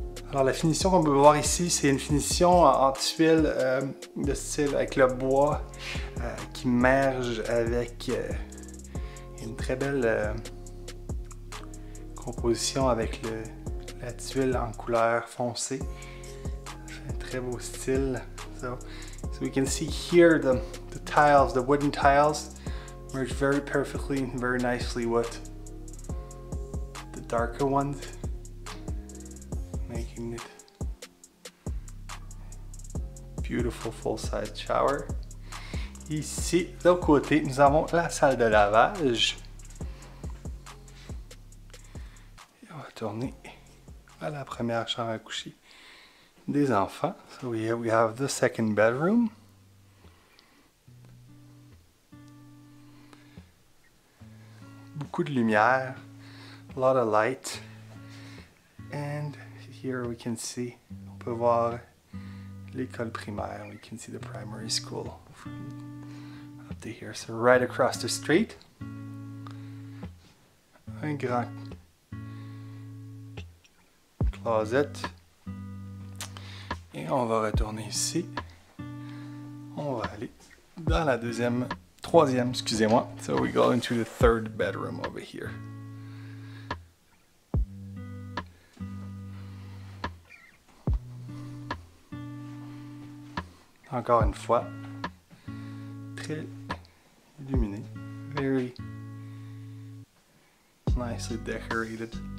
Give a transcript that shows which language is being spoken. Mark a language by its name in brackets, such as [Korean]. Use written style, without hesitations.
[French] Alors la finition qu'on peut voir ici, c'est une finition en tuile de style avec le bois qui merge avec une très belle composition avec la tuile en couleur foncée. Très beau style. [English] So we can see here the tiles, the wooden tiles merge very perfectly, very nicely with the darker ones, making it beautiful full-size shower. [French] Ici, de l'autre côté, nous avons la salle de lavage. Et on va tourner à la première chambre à coucher. Des enfants. [English] So we have the second bedroom. [French] Beaucoup de lumière. [English] A lot of light. And here we can see, [French] on peut voir l'école primaire. [English] We can see the primary school up to here. So right across the street. [French] Un grand closet. Et on va retourner ici. On va aller dans la troisième, excusez-moi. [English] So we go into the third bedroom over here. [French] Encore une fois, très illuminé. [English] Very nicely decorated.